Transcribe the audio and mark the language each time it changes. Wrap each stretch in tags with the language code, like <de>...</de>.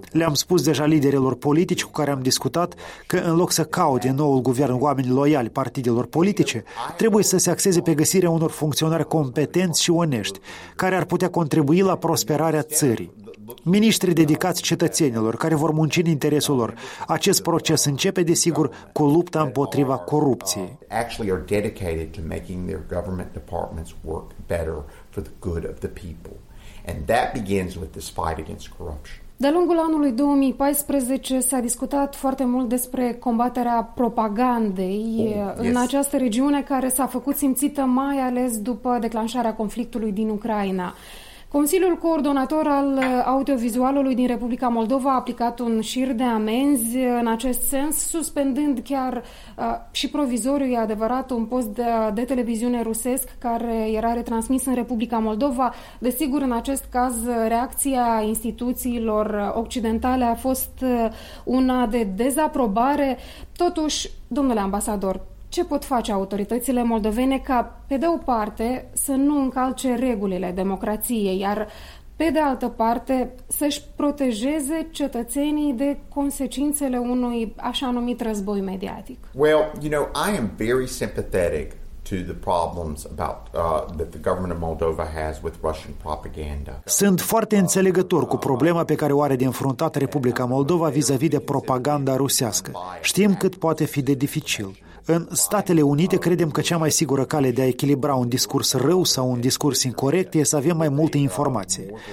<ro>Le-am spus deja liderilor politici cu care am discutat că în loc să caute noul guvern oameni loiali partidelor politice, trebuie să se axeze pe găsirea unor funcționari competenți și onești, care ar putea contribui la prosperarea țării. Miniștri dedicați cetățenilor care vor munci în interesul lor. Acest proces începe, desigur, cu lupta împotriva corupției.</ro> <en>Actually are dedicated to making their government departments work better for the good of the people. And that begins with this fight against corruption.</en> <ro>De-a lungul anului 2014 s-a discutat foarte mult despre combaterea propagandei în această regiune, care s-a făcut simțită mai ales după declanșarea conflictului din Ucraina. Consiliul Coordonator al Audiovizualului din Republica Moldova a aplicat un șir de amenzi în acest sens, suspendând chiar și provizoriu, e adevărat, un post de televiziune rusesc care era retransmis în Republica Moldova. Desigur, în acest caz, reacția instituțiilor occidentale a fost una de dezaprobare. Totuși, domnule ambasador, ce pot face autoritățile moldovene ca, pe de o parte, să nu încalce regulile democrației, iar, pe de altă parte, să-și protejeze cetățenii de consecințele unui așa numit război mediatic?</ro> <en>Well, you know, I am very sympathetic to the problems about that the government of Moldova has with Russian propaganda.</en> <ro>Sunt foarte înțelegător cu problema pe care o are de înfruntat Republica Moldova vis-a-vis de propaganda rusească. Știm cât poate fi de dificil. În Statele Unite credem că cea mai sigură cale de a echilibra un discurs rău sau un discurs incorrect e să avem mai multe informații.</ro>